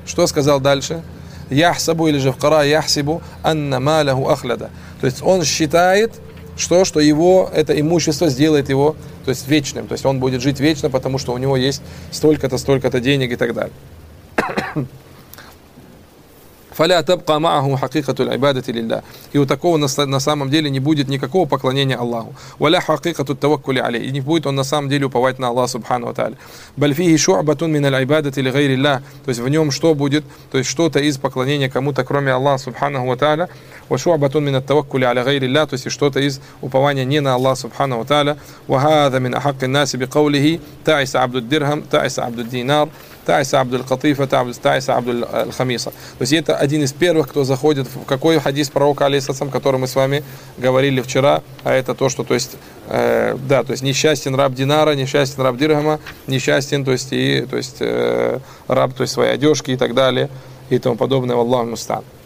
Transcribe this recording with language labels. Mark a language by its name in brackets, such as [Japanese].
[Russian] Что сказал дальше? «Яхсабу» или же в Коране [Arabic] «Яхсибу анна малаху ахлада». [Russian] То есть он считает, что его это имущество сделает его, то есть вечным. То есть он будет жить вечно, потому что у него есть столько-то денег и так далее. [Arabic] فلا تبقى معه حقيقة العبادة لله. [Russian] И у такого на самом деле не будет никакого поклонения Аллаху. [Arabic] ولا حقيقة التوكل عليه. [Russian] И не будет он на самом деле уповать на Аллаха سبحانه وتعالى. [Arabic] بل فيه شعبة من العبادة لغير الله. [Russian] То есть в нем что будет? То есть что-то из поклонения кому-то кроме Аллаха سبحانه وتعالى. [Arabic] وشعبة من التوكل على غير الله. [Russian] То есть что-то из упования не на Аллаха سبحانه وتعالى. [Arabic] وهذا من أحق الناس بقوله تعس عبد الدرهم تعس عبد الدينار تعس عبد القطيفة تعس عبد الخميصة. [Russian] То есть это один из первых, кто заходит в какой хадис пророка, алейхиссалям, который мы с вами говорили вчера, а это то, что, то есть, да, то есть несчастен раб динара, несчастен раб дирхама, несчастен, то есть, и, то есть раб то есть, своей одежки и так далее, и тому подобное, валлаху мустан.